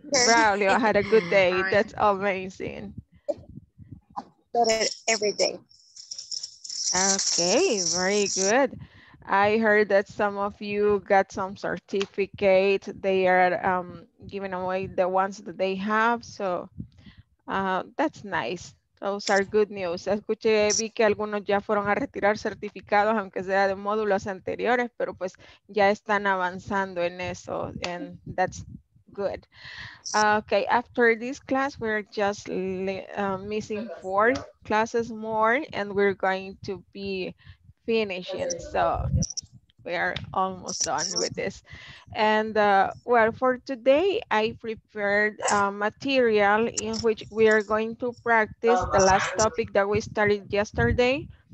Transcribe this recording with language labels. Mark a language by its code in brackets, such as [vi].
[en] Braulio, I had a good day. That's amazing. Better every day. Okay, very good. I heard that some of you got some certificate. They are giving away the ones that they have. So that's nice. Those are good news. [es] Escuché, vi que algunos ya fueron a retirar certificados, aunque sea de módulos anteriores, pero pues ya están avanzando en eso. [en] And that's good. Okay, after this class, we're just missing 4 classes more, and we're going to be finishing. So we are almost done with this. And well, for today, I prepared material in which we are going to practice the last topic that we started yesterday.